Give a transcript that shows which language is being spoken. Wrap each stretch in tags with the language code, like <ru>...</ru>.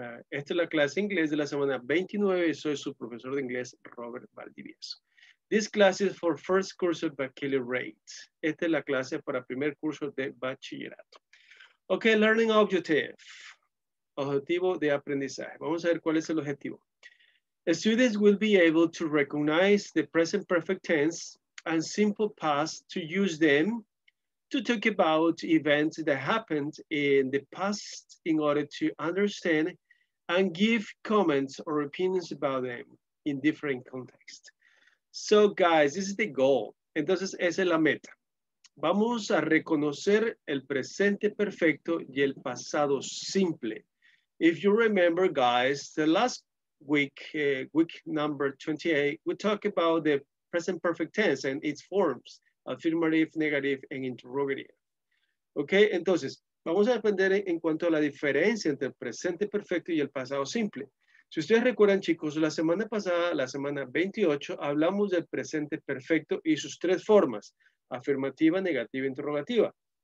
<es>Esta es la clase inglés de la semana 29. Soy su profesor de inglés, Robert Valdivieso.</es> <en>This class is for first course of baccalaureate.</en> <es>Esta es la clase para primer curso de bachillerato.</es> <en>Okay, learning objective.</en> <es>Objetivo de aprendizaje. Vamos a ver cuál es el objetivo.</es> <en>Students will be able to recognize the present perfect tense and simple past to use them to talk about events that happened in the past in order to understand and give comments or opinions about them in different contexts. So guys, this is the goal.</en> <es>Entonces, esa es la meta. Vamos a reconocer el presente perfecto y el pasado simple.</es> <en>If you remember, guys, the last week number 28, we talk about the present perfect tense and its forms, affirmative, negative, and interrogative.</en> <es>Okay, entonces, vamos a aprender en cuanto a la diferencia entre el presente perfecto y el pasado simple. Si ustedes recuerdan, chicos, la semana pasada, la semana 28, hablamos del presente perfecto y sus tres formas, afirmativa, negativa, interrogativa.</es>